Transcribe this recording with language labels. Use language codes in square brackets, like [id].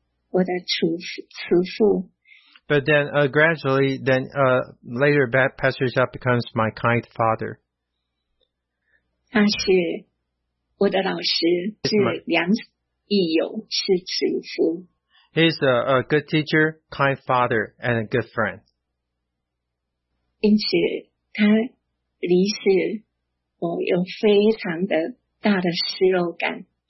[en] But then later Pastor Zhao becomes my kind father. [zh] 他是我的老师，是良益友，是慈父。 [en] He's a good teacher, kind father, and a good friend. [zh] 因此，他离世，我有非常的大的失落感。